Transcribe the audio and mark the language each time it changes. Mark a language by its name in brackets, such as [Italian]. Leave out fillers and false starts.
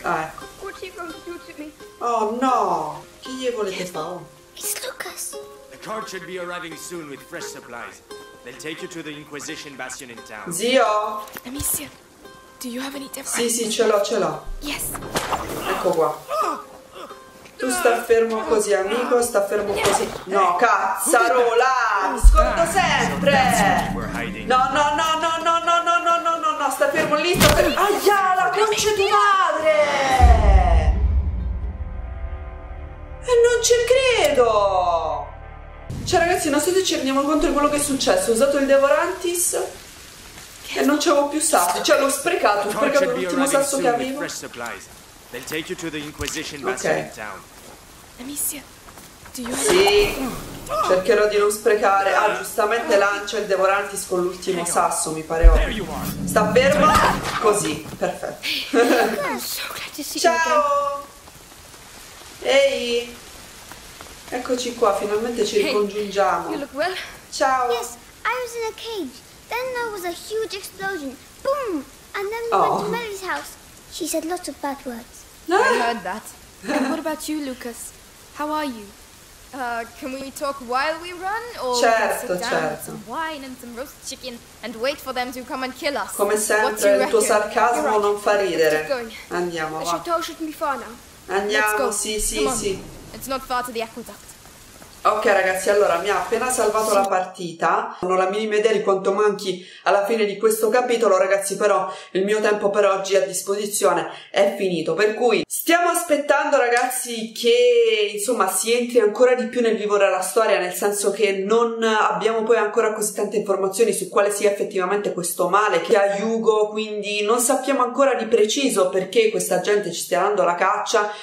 [Italian] Ah, ecco. [English] What are you going to do to me? [Italian] Oh no! Chi gli volete fare? [English] It's Lucas. The cart should be arriving soon with fresh supplies. They'll take you to the Inquisition bastion in town. [Italian] Zio! [English] Amicia, do you have any devices? [Italian] Sì, ce l'ho. [English] Yes. [Italian] Ecco qua. Tu sta fermo così, amico, sta fermo così. No, cazzarola! Mi scordo sempre! No, sta fermo lì, sta fermo. Aia, la croce di madre! E non ci credo! Cioè, ragazzi, non so se ci rendiamo conto di quello che è successo. Ho usato il Devorantis e non c'avevo più sasso. Cioè, l'ho sprecato l'ultimo sasso che avevo. [English] They'll take you to the Inquisition bastion in town. Amicia, do you... [Italian] Sì, cercherò di non sprecare. Ah, giustamente lancio il Devorantis con l'ultimo sasso, mi pare ovvio. Sta fermo così, perfetto. Ciao! Ehi! Eccoci qua, finalmente ci ricongiungiamo. Ciao! [English] Yes, I was in a cage. Then there was a huge explosion. Boom! And then we went to Mary's house. She said lots of bad words. No. I heard that. And what about you, Lucas? How are you? Can we talk while we run? Or [Italian] certo, [English] we Down some wine and some roast chicken and wait for them to come and kill us. [Italian] Come sempre, il tuo sarcasmo non fa ridere. Andiamo, va. [English] The chateau shouldn't be far now. [Italian] Andiamo, sì. [English] It's not far to the aqueduct. [Italian] Ok ragazzi, allora mi ha appena salvato la partita, non ho la minima idea di quanto manchi alla fine di questo capitolo, ragazzi, però il mio tempo per oggi a disposizione è finito, per cui stiamo aspettando, ragazzi, che insomma si entri ancora di più nel vivo della storia, nel senso che non abbiamo poi ancora così tante informazioni su quale sia effettivamente questo male che ha Hugo, quindi non sappiamo ancora di preciso perché questa gente ci stia dando la caccia.